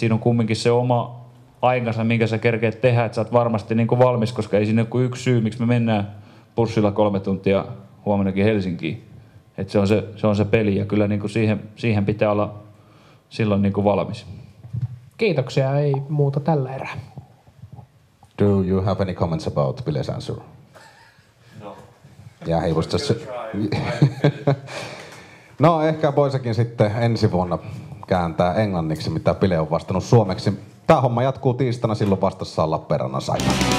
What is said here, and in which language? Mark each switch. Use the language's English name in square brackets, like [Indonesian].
[Finnish] Et siinä on kumminkin se oma aikansa, minkä sä kerkeet tehdä, että sä oot varmasti niin kuin valmis, koska ei siinä kuin yksi syy, miksi me mennään bussilla 3 tuntia huomennakin Helsinkiin. Et se on se peli ja kyllä niin kuin siihen pitää olla silloin niin kuin valmis. Kiitoksia, ei muuta tällä erää. [English] Do you have any comments about Pille's answer? Yeah, he was just... [Finnish] No ehkä voisikin sitten ensi vuonna kääntää englanniksi, mitä Pile on vastannut suomeksi. Tämä homma jatkuu tiistaina, silloin vastassa on Lappeenrannan Saipa.